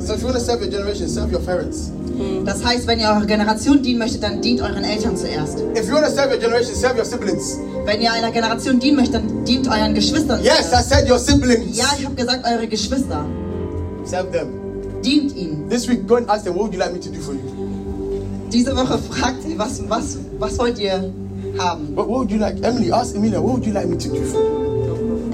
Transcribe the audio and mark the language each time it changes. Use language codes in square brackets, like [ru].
[en] So if you want to serve your generation, serve your parents. [de] Das heißt, wenn ihr eurer Generation dienen möchtet, dann dient euren Eltern zuerst. [en] If you want to serve your generation, serve your siblings. [de] Wenn ihr einer Generation dienen möchtet, dann dient euren Geschwistern [en] zuerst. Yes, I said your siblings. [de] Ja, ich habe gesagt, eure Geschwister. [en] Serve them. [de] Dient ihnen. [en] This week, go and ask them, what would you like me to do for you? [de] Diese Woche fragt ihr, was wollt ihr haben? [en] What would you like? Emily, ask Emilia, what would you like me to do for you?